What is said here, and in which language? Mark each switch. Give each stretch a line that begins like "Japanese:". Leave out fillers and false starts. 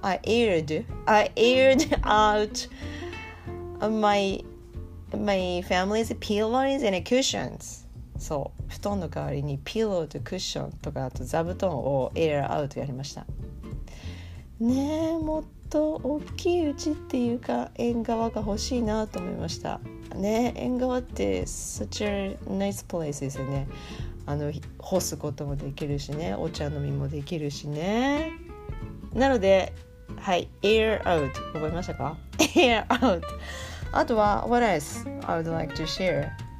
English: I aired out my family's pillows and cushions。
Japanese: そう、布団の代わりにピローとクッションとか、あと座布団をエアアウトやりました。ねえ、もっと大きい家っていうか縁側が欲しいなと思いました。ねえ、縁側って
English: such a nice place
Japanese: ですよね。あの、干すこともできるしね、お茶飲みもできるしね。なので、はい、エアアウト覚えましたか、エアアウト。
English: あとは What else I would like to share?